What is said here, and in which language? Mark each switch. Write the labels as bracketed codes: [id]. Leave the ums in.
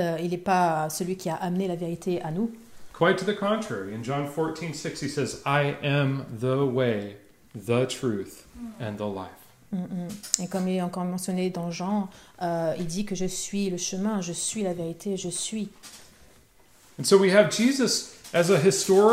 [fr] n'est pas celui qui a amené la vérité à nous. [en] Quite to the contrary, in John 14:6, he says, "I am the way, the truth and the life. Mm -hmm. [fr] Et comme il est encore mentionné dans Jean, euh, il dit que je suis le chemin, je suis la vérité, je suis. [en] And so we have Jesus as a that has